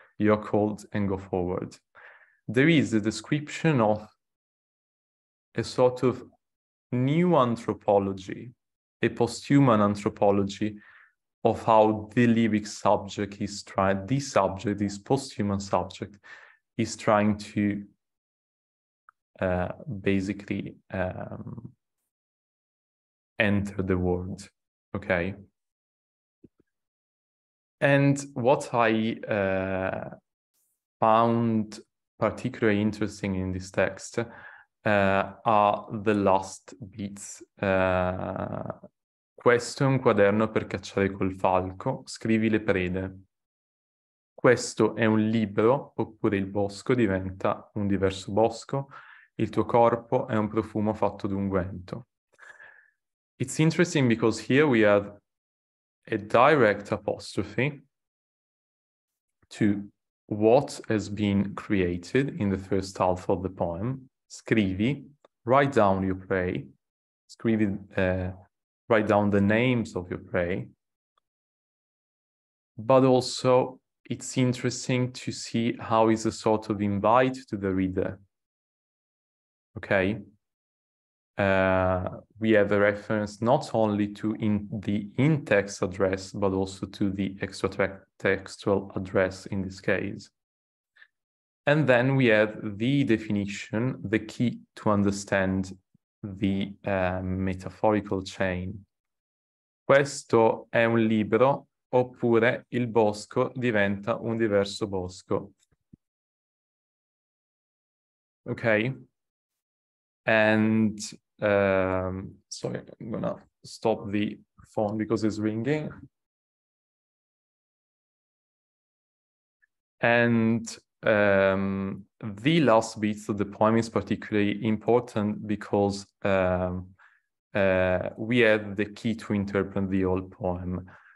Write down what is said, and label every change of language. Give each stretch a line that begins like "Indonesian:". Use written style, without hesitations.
English: You are cold and go forward. There is a description of a sort of new anthropology, a posthuman anthropology of how the lyric subject is trying, this subject, this posthuman subject, is trying to basically enter the world. Okay. And what I found particularly interesting in this text are the last bits.
Italian: Questo è un quaderno per cacciare col falco, scrivi le prede. Questo è un libro, oppure il bosco diventa un diverso bosco. Il tuo corpo è un profumo fatto d'unguento.
English: It's interesting because here we have a direct apostrophe to what has been created in the first half of the poem. Scrivi, write down your prey, scrivi, write down the names of your prey. But also it's interesting to see how is a sort of invite to the reader. Okay. We have a reference not only to the in-text address, but also to the extra-textual address in this case. And then we have the definition, the key to understand the metaphorical chain.
Italian: Questo è un libro, oppure il bosco diventa un diverso bosco.
English: Okay. And sorry, I'm gonna stop the phone because it's ringing. And the last bit of the poem is particularly important because we have the key to interpret the whole poem.